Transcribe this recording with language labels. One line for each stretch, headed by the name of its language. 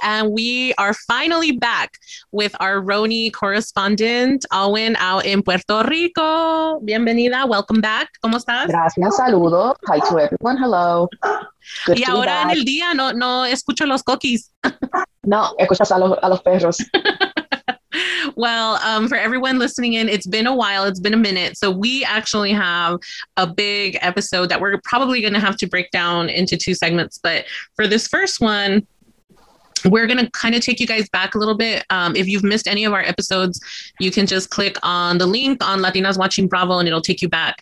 English: And we are finally back with our RONI correspondent, Alwyn, out in Puerto Rico.
Spanish: Bienvenida.
English: Welcome back.
Spanish: ¿Cómo estás? Gracias. Saludos.
English: Hi to everyone. Hello.
Spanish: Good y to ahora en el día no escucho los coquis. No, escuchas a los perros.
English: Well, for everyone listening in, it's been a while. It's been a minute. So we actually have a big episode that we're probably going to have to break down into two segments. But for this first one, we're going to kind of take you guys back a little bit. If you've missed any of our episodes, you can just click on the link on Latinas Watching Bravo and it'll take you back.